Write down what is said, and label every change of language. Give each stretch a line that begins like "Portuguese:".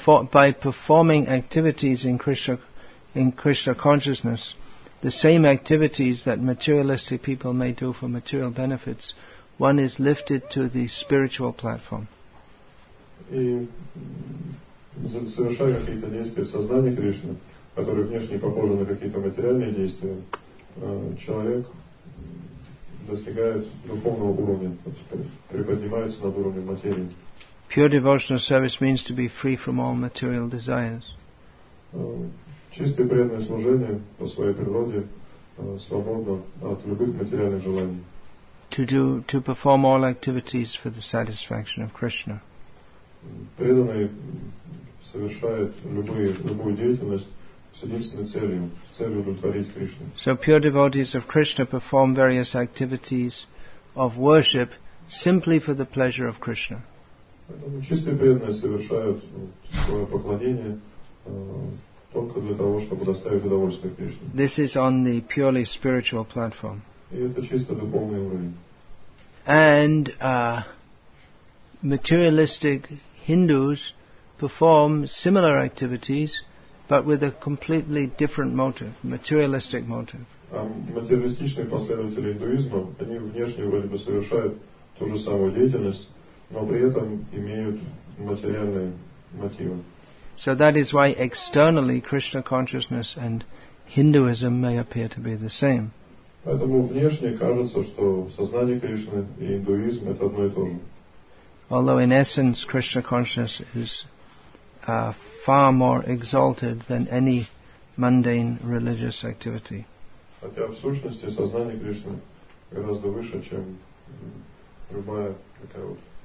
English: By performing activities in Krishna consciousness, the same activities that materialistic people may do for material benefits, one is lifted to the spiritual platform.
Russian: И совершая какие-то действия в сознании Кришны, которые внешне похожи на какие-то материальные действия, человек достигает духовного уровня, приподнимается над уровнем материи.
English: Pure devotional service means to be free from all material desires.
Russian: Чистое преданное служение по своей природе свободно от любых материальных желаний.
English: To perform all activities for the satisfaction of Krishna.
Russian: Преданный совершает любую деятельность с единственной целью, с целью удовлетворить Кришну.
English: So pure devotees of Krishna perform various activities of worship simply for the pleasure of Krishna.
Russian: Поэтому чистые преданные совершают свое поклонение только для того, чтобы доставить удовольствие Кришне.
English: This is on the purely spiritual platform.
Russian: И это чисто духовный уровень.
English: And materialistic Hindus perform similar activities, but with a completely different motive, materialistic motive.
Russian: Материалистичные последователи индуизма, они внешне вроде бы совершают ту же самую деятельность, но при этом имеют материальные мотивы.
English: So that is why externally Krishna consciousness and Hinduism may appear to be the same.
Russian: Поэтому внешне кажется, что сознание Кришны и индуизм это одно и то же.
English: Although in essence Krishna consciousness is far more exalted than any mundane religious activity.
Russian: Хотя в сущности сознание Кришны гораздо выше, чем любая такая вот